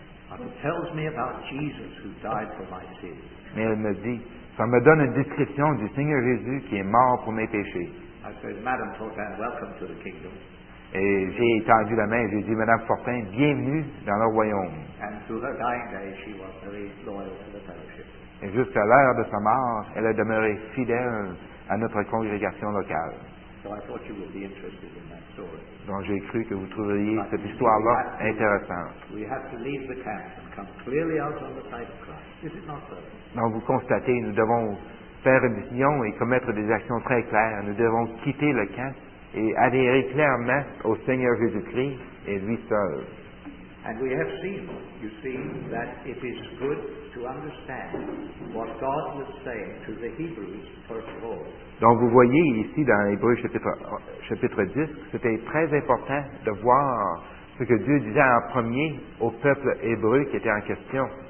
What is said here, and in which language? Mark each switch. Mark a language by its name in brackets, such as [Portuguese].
[English] But it tells me about Jesus who died for my sins. [French] Mais elle me dit, ça me donne une description du Seigneur Jésus qui est mort pour mes péchés. [English] I said, Madame Fortin, welcome to the kingdom. [French] Et j'ai étendu la main et j'ai dit, Madame Fortin, bienvenue dans le royaume. [English] And to her dying day, she was very loyal to the fellowship. [French] Et jusqu'à l'heure de sa mort, elle a demeuré fidèle à notre congrégation locale. [English] So I thought you would be interested in that story. [French] Donc j'ai cru que vous trouveriez cette histoire-là intéressante. [English] We have to leave the camp and come clearly out on the side of Christ. Is it not so? [French] Donc vous constatez, nous devons faire une décision et commettre des actions très claires. Nous devons quitter le camp et adhérer clairement au Seigneur Jésus-Christ et lui seul. [English] And we have seen, you see, that it is good to understand what God was saying to the Hebrews first of all. [French] Donc vous voyez ici dans Hébreux chapitre 10, c'était très important de voir ce que Dieu disait en premier au peuple hébreu qui était en question.